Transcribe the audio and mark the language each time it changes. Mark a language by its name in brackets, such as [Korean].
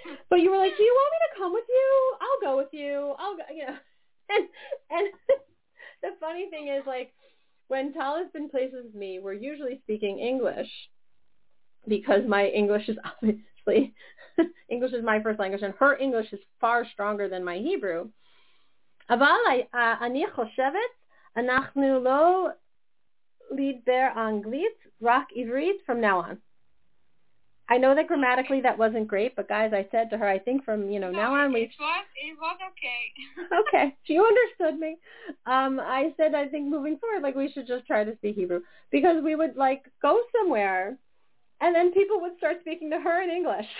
[English] But you were like, do you want me to come with you? I'll go with you. I'll go, you know. And the funny thing is, like, when Tal has been places with me, we're usually speaking English, because my English is obviously, English is my first language, and her English is far stronger than my Hebrew. [Hebrew] Aval, ani choshevet, אנחנו לא לדבר אנגלית, רק עברית [English] from now on. I know that grammatically that wasn't great, but guys, I said to her, I think from, you know, now on we... It was okay. Okay, she understood me. I said, I think moving forward, like, we should just try to speak Hebrew, because we would, like, go somewhere, and then people would start speaking to her in English.